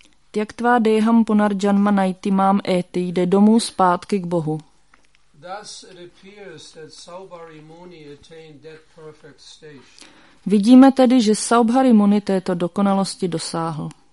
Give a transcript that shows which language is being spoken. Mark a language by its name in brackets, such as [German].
[Sanskrit] Tyak tvá deham ponar janma naiti mam eti, [Czech] jde domů zpátky k Bohu. [English] Thus it appears that Saubhari Muni attained that perfect state. [Czech] Vidíme tedy, že Saubhari Muni této dokonalosti dosáhl.